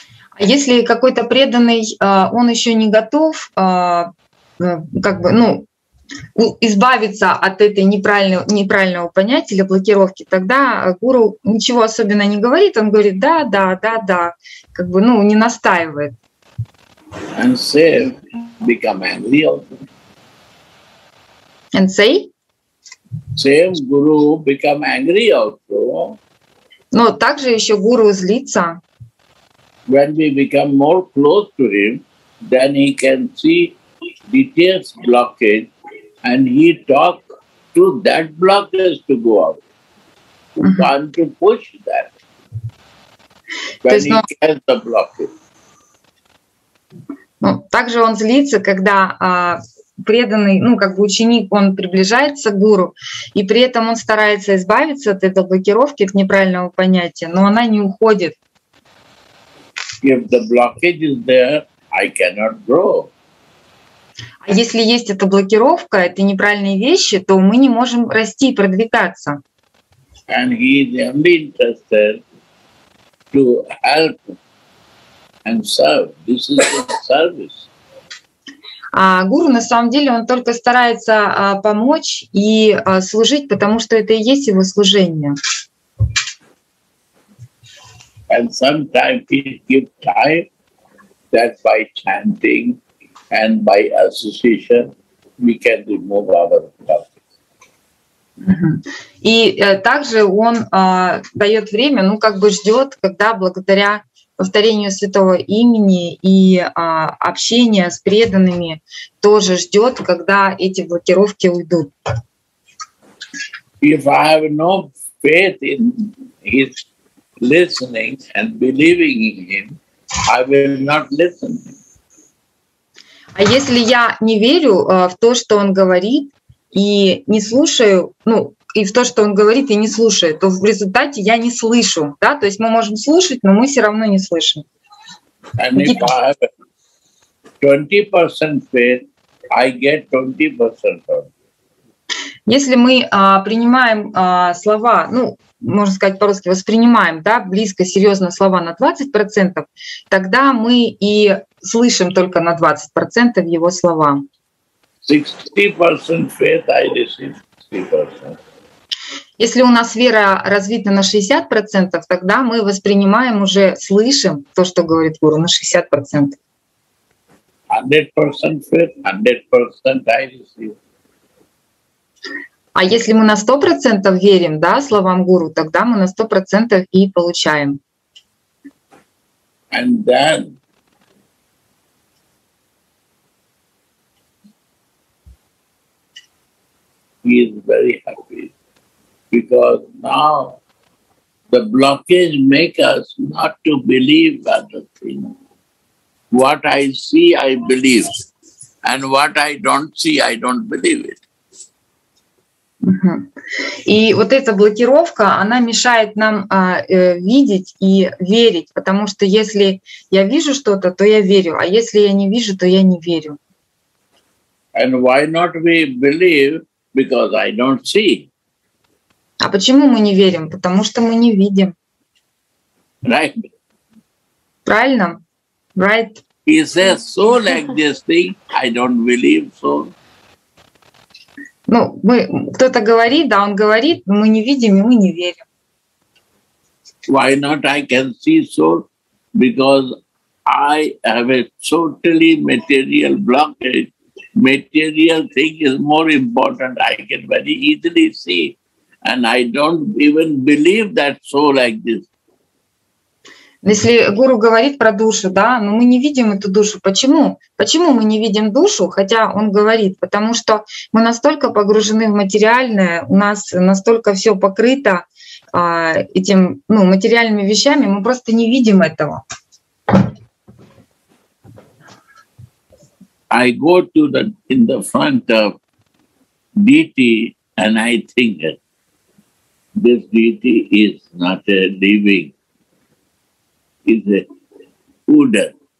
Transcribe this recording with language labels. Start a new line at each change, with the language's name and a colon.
Russian: А если какой-то преданный, он еще не готов, как бы, ну, избавиться от этой неправильного понятия или блокировки, тогда гуру ничего особенно не говорит, он говорит да, да, да, да, как бы, ну, не настаивает.
English: And say, become angry also. And say? Same guru become angry also.
Russian: Но также еще гуру злится.
English: When we become more close to him, then he can see details blockage, and he talk to that blockage to go out. He want to push that. When he gets the blockage.
Russian: Ну, также он злится, когда преданный, ну, как бы ученик, он приближается к гуру, и при этом он старается избавиться от этой блокировки, от неправильного понятия, но она не уходит.
English: If the blockage is there, I cannot grow.
Russian: А если есть эта блокировка, это неправильные вещи, то мы не можем расти и продвигаться.
English: and he is only interested to help and serve. This is his service.
Russian: Гуру, на самом деле, он только старается помочь и служить, потому что это и есть его служение.
English: And sometimes he gives time that by chanting and by association we can remove our problems.
Russian: И также он дает время, ну как бы ждет, когда благодаря повторению святого имени и общению с преданными тоже ждет, когда эти блокировки уйдут.
English: If I have no faith in his listening and believing in him, I will not listen.
Russian: А если я не верю в то, что он говорит, и не слушаю, ну, и в то, что он говорит, и не слушаю, то в результате я не слышу, да? То есть мы можем слушать, но мы все равно не слышим.
English: And if I have 20% faith, I get 20% faith.
Russian: Если мы принимаем слова, ну, можно сказать по-русски, воспринимаем, да, близко, серьезно слова на 20%, тогда мы и слышим только на 20% его слова.
English: 60% faith I receive 60%.
Russian: Если у нас вера развита на 60%, тогда мы воспринимаем уже, слышим то, что говорит гуру, на 60%.
English: 100% faith, 100% I receive.
Russian: А если мы на 100% верим, да, словам гуру, тогда мы на 100% и получаем.
English: And then he is very happy because now the blockage makes us not to believe other things. What I see, I believe, and what I don't see, I don't believe it.
Russian: И вот эта блокировка, она мешает нам видеть и верить, потому что если я вижу что-то, то я верю, а если я не вижу, то я не верю.
English: And why not we believe? Because I don't see.
Russian: А почему мы не верим? Потому что мы не видим.
English: Right.
Russian: Правильно?
English: Right. He says soul existing, I don't believe soul.
Russian: Ну, мы, кто-то говорит, да, он говорит, мы не видим и мы не верим.
English: Why not I can see soul? Because I have a totally material blockage. Material thing is more important. I can very easily see, and I don't even believe that soul exists.
Russian: Если гуру говорит про душу, да, но мы не видим эту душу. Почему? Почему мы не видим душу, хотя он говорит? Потому что мы настолько погружены в материальное, у нас настолько все покрыто этим, ну, материальными вещами, мы просто не видим этого.
English: I go to the in the front of deity and I think that this deity is not a living, is a Buddha.